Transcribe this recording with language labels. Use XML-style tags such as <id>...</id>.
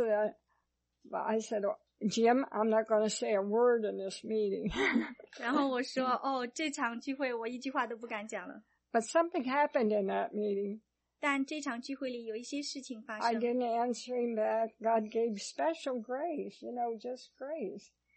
<en>But I said, Jim, I'm not going to say a word in this meeting.</en> <zh>然后我说，哦，这场聚会我一句话都不敢讲了。</zh> <en>But something happened in that meeting.</en> <zh>但这场聚会里有一些事情发生。</zh> <en>I didn't answer him back. God gave special grace, you know, just grace.</en>